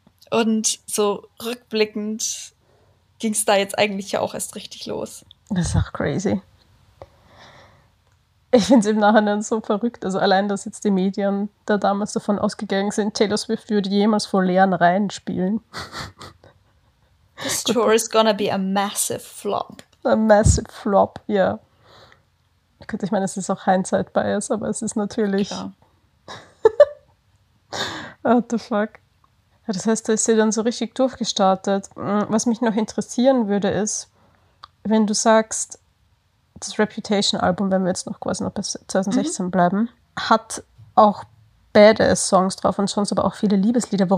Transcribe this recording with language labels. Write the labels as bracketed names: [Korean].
[German] Und so rückblickend ging es da jetzt eigentlich ja auch erst richtig los. Das ist auch crazy. Ich finde es im Nachhinein so verrückt. Also allein, dass jetzt die Medien da damals davon ausgegangen sind, Taylor Swift würde jemals vor leeren Reihen spielen. [English] This tour is gonna be a massive flop. A massive flop, ja. Yeah. [German] Ich meine, es ist auch Hindsight-Bias, aber es ist natürlich... [English] What the fuck? [German] Ja, das heißt, da ist sie dann so richtig durchgestartet. Was mich noch interessieren würde, ist, wenn du sagst, das Reputation-Album, wenn wir jetzt noch quasi noch bis 2016 bleiben, hat auch Badass-Songs drauf und sonst aber auch viele Liebeslieder.